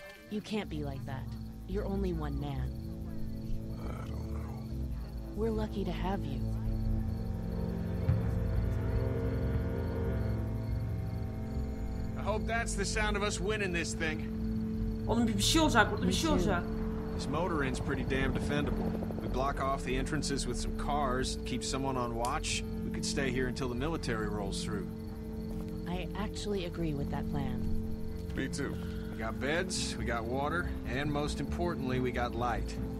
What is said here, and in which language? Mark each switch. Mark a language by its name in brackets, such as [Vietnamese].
[English] You can't be like that. You're only one man. I don't know. We're lucky to have you. I hope that's the sound of us winning this thing. [Turkish] Oğlum bir şey olacak burada, bir şey olacak. [English] This motor end's pretty damn defendable. We block off the entrances with some cars, keep someone on watch. Could stay here until the military rolls through. I actually agree with that plan. Me too. We got beds, we got water, and most importantly, we got light.